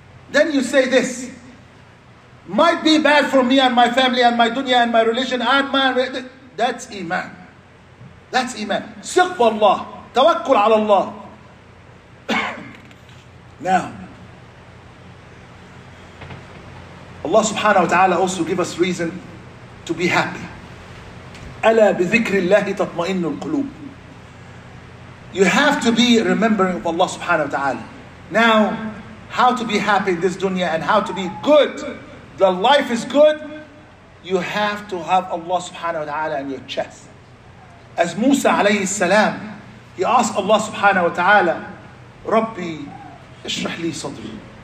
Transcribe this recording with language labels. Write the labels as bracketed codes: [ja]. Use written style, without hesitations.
[en] Then you say this, might be bad for me and my family and my dunya and my religion and my... That's iman. That's iman. Siqb Allah. [ar] Tawakkul ala Allah. [en] Now, Allah subhanahu wa ta'ala also give us reason to be happy. [ar] ألا بذكر الله تطمئن القلوب. [en] You have to be remembering of Allah subhanahu wa ta'ala. Now, how to be happy in this dunya and how to be good. The life is good. You have to have Allah subhanahu wa ta'ala in your chest. As Musa alayhi salam, he asked Allah subhanahu wa ta'ala, [ar] Rabbi, ishrah li sadri.